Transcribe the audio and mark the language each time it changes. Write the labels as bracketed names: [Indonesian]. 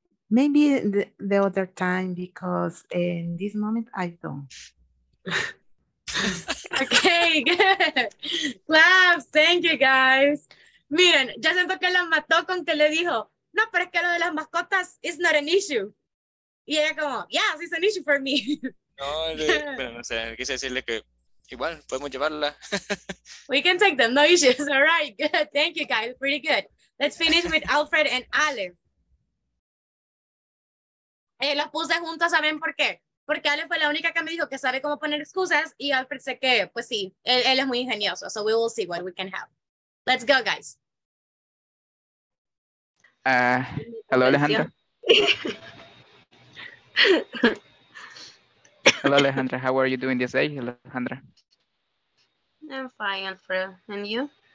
[English] Maybe the other time, because in this moment, I don't. Okay, good. Claps, thank you, guys. [Spanish] Miren, ya siento que la mató con que le dijo, no, pero es que lo de las mascotas [English] is not an issue. [Spanish] Y ella como, [English] yes, it's an issue for me. [Spanish] No, pero no sé, quise decirle que igual, podemos llevarla. [English] We can take them, no issues. All right, good. Thank you, guys. Pretty good. Let's finish with Alfred and Ale. [Spanish] Los puse juntos, ¿saben por qué? Porque Ale fue la única que me dijo que sabe cómo poner excusas y Alfred sé que, pues sí, él es muy ingenioso. [English] So we will see what we can have. Let's go, guys. Hello, Alejandra. Hello, Alejandra. How are you doing this day, Alejandra? I'm fine, Alfred. And you?